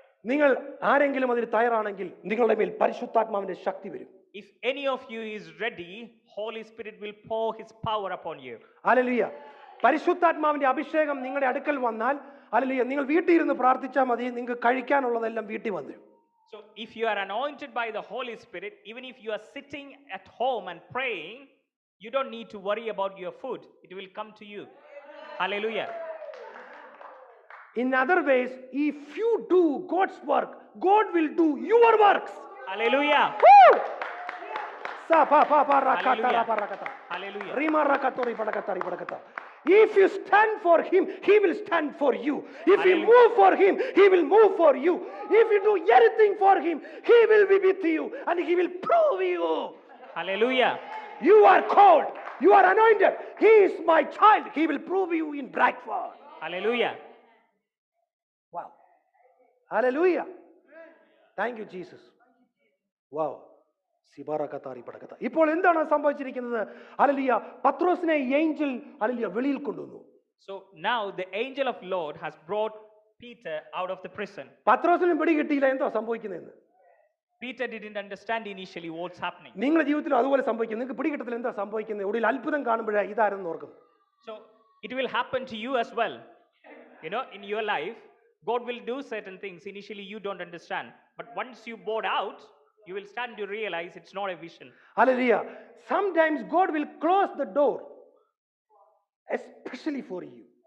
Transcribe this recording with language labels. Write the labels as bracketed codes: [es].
[ml] നിങ്ങൾ ആരെങ്കിലും അതിന് തയ്യാറാണെങ്കിൽ നിങ്ങളുടെ മേൽ പരിശുദ്ധാത്മാവിന്റെ ശക്തി വരും. [en] If any of you is ready, Holy Spirit will pour his power upon you. Hallelujah. [ml] പരിശുദ്ധാത്മാവിന്റെ അഭിഷേകം നിങ്ങളുടെ അടുക്കൽ വന്നാൽ, ഹല്ലേലൂയ, നിങ്ങൾ വീട്ടിൽ ഇരുന്ന് പ്രാർത്ഥിച്ചാൽ മതി, നിങ്ങൾക്ക് കഴിക്കാനുള്ളതെല്ലാം വീട്ടിൽ വന്നു. [en] So if you are anointed by the Holy Spirit, even if you are sitting at home and praying, you don't need to worry about your food. It will come to you. Hallelujah. In other ways, if you do God's work, God will do your works. Hallelujah. Sa pa pa pa ra ka ta ra pa ra ka ta. Hallelujah. Rima ra ka tori pa ka ta ri pa ka ta. If you stand for him, he will stand for you. If Hallelujah. You move for him, he will move for you. If you do anything for him, he will be with you and he will prove you. Hallelujah. You are called. You are anointed. He is my child. He will prove you in Bradford. Hallelujah. Hallelujah. Thank you, Jesus. Wow. Sibara katari padakata. [ml] ഇപ്പോൾ എന്താണ് സംഭവിച്ചിരിക്കുന്നത്? Hallelujah. പത്രോസിനെ Angel hallelujah വെളിയിൽ കൊണ്ടുവന്നു. [en] So now the angel of Lord has brought Peter out of the prison. [ml] പത്രോസിനെ പിടികിട്ടിയില്ല, എന്താ സംഭവിക്കുന്നത്? [en] Peter didn't understand initially what's happening. [ml] നിങ്ങളുടെ ജീവിതത്തിലും അതുപോലെ സംഭവിക്കുന്നു. നിങ്ങൾക്ക് പിടികിട്ടത്തില്ല, എന്താ സംഭവിക്കുന്നത്? ഒടുവിൽ അത്ഭുതം കാണുമ്പോൾ ഇതാരെന്ന് ഓർക്കുന്നു. [en] So it will happen to you as well. You know, in your life, God will do certain things. Initially, you don't understand. But once you bored out, you will start to realize it's not a vision. Hallelujah. Sometimes God will close the door, especially for you.